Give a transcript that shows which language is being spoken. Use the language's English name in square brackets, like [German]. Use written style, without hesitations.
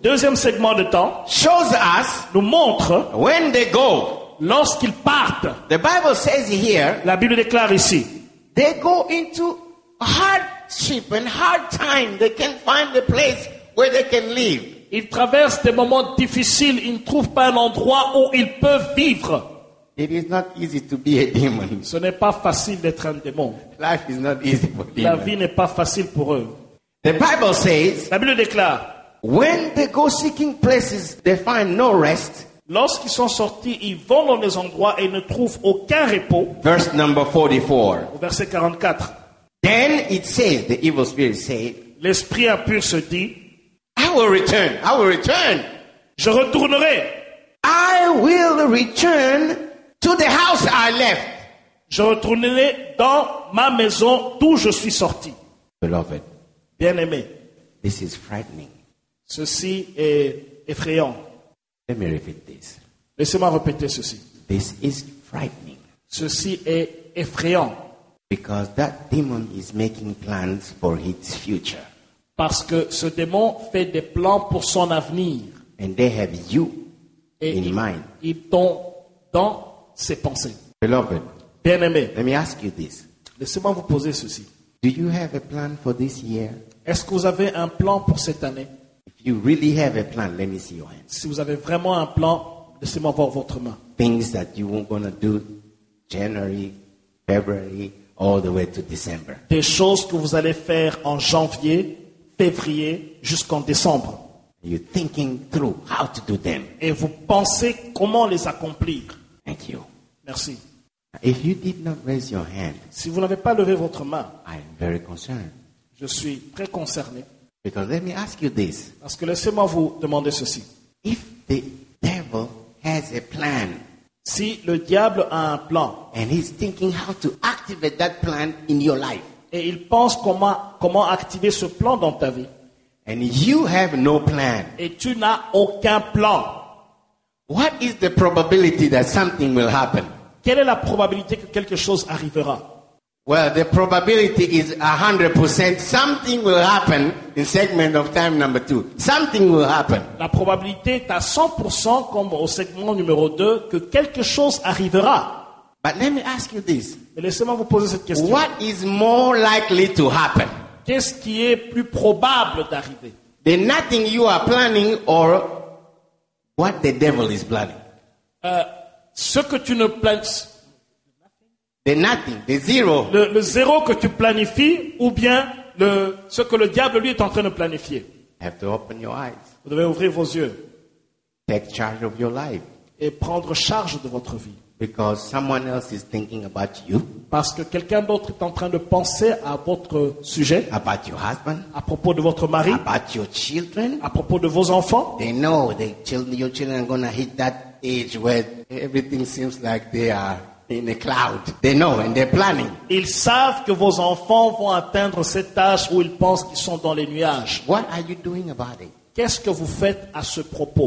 [French] deuxième segment de temps, [English] shows us, [French] nous montre, [English] when they go, [French] lorsqu'ils partent, [English] the Bible says here, [French] la Bible déclare ici, [English] they go into hardship and hard time. They can't find a place where they can live. [French] Ils traversent des moments difficiles. Ils ne trouvent pas un endroit où ils peuvent vivre. [English] It is not easy to be a demon. [French] Ce n'est pas facile d'être un démon. [English] Life is not easy for demons. [French] La vie n'est pas facile pour eux. [English] The Bible says, [French] la Bible déclare, [English] when they go seeking places, they find no rest. [French] Lorsqu'ils sont sortis, ils vont dans les endroits et ne trouvent aucun repos. [English] Verse number 44. [French] Verset 44. [English] Then it says, the evil spirit said, [French] l'esprit impur se dit, [English] I will return. I will return. [French] Je retournerai. [English] I will return to the house I left. [French] Je retournerai dans ma maison d'où je suis sorti. [English] Beloved. [French] Bien-aimé. [English] This is frightening. [French] Ceci est effrayant. [English] Let me repeat this. [French] Laissez-moi répéter ceci. [English] This is frightening. [French] Ceci est effrayant. [English] Because that demon is making plans for his future. [French] Parce que ce démon fait des plans pour son avenir. [English] And they have you [French] et [English] in mind. [French] Ils t'ont dans ses pensées. [English] Beloved. [French] Bien-aimé. [English] Let me ask you this. [French] Laissez-moi vous poser ceci. [English] Do you have a plan for this year? [French] Est-ce que vous avez un plan pour cette année? [English] You really have a plan. Let me see your hand. [French] Si vous avez vraiment un plan, laissez-moi voir votre main. [English] Things that you were going to do January, February, all the way to December. [French] Des choses que vous allez faire en janvier, février, jusqu'en décembre. [English] You're thinking through how to do them. [French] Et vous pensez comment les accomplir. [English] Thank you. [French] Merci. [English] If you did not raise your hand, [French] si vous n'avez pas levé votre main, [English] I'm very concerned. [French] Je suis très concerné. [English] Because let me ask you this. [French] Parce que laissez-moi vous demander ceci. [English] If the devil has a plan, [French] si le diable a un plan, [English] and he's thinking how to activate that plan in your life, [French] et il pense comment activer ce plan dans ta vie, [English] and you have no plan, [French] et tu n'as aucun plan, [English] what is the probability that something will happen? [French] Quelle est la probabilité que quelque chose arrivera? [English] Well, the probability is 100%. Something will happen in segment of time number two. Something will happen. [French] La probabilité est à 100% comme au segment numéro 2 que quelque chose arrivera. [English] But let me ask you this. [French] Mais laissez-moi vous poser cette question. [English] What is more likely to happen? [French] Qu'est-ce qui est plus probable d'arriver? [English] The nothing you are planning or what the devil is planning? [French] Ce que tu ne planes. [English] The nothing, the zero. [French] Le zéro que tu planifies ou bien ce que le diable lui est en train de planifier. [English] Have to open your eyes. [French] Vous devez ouvrir vos yeux. [English] Take charge of your life. [French] Et prendre charge de votre vie. [English] Because someone else is thinking about you. [French] Parce que quelqu'un d'autre est en train de penser à votre sujet. [English] About your husband. [French] À propos de votre mari. [English] About your children. [French] À propos de vos enfants. [English] They know your children are going to hit that age where everything seems like they are in a cloud. They know and they're planning. [French] Ils savent que vos enfants vont atteindre cette âge où ils pensent qu'ils sont dans les nuages. [English] What are you doing about it? [French] Qu'est-ce que vous faites à ce propos?